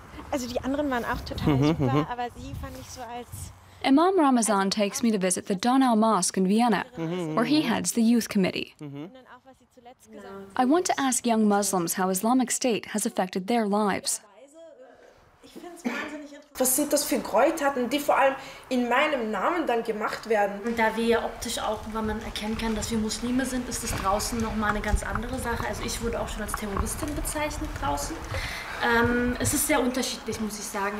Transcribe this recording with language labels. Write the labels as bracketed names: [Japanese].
[German] Also, die anderen waren auch total super, aber sie fand ich so als... [English] Imam Ramazan takes me to visit the Donau Mosque in Vienna, where he heads the youth committee. I want to ask young Muslims how Islamic State has affected their lives. [German] Was sind das für Gräueltaten, die vor allem in meinem Namen dann gemacht werden? Da wir ja optisch auch, wenn man erkennen kann, dass wir Muslime sind, ist das draußen nochmal eine ganz andere Sache. Also ich wurde auch schon als Terroristin bezeichnet draußen. Es ist sehr unterschiedlich, muss ich sagen.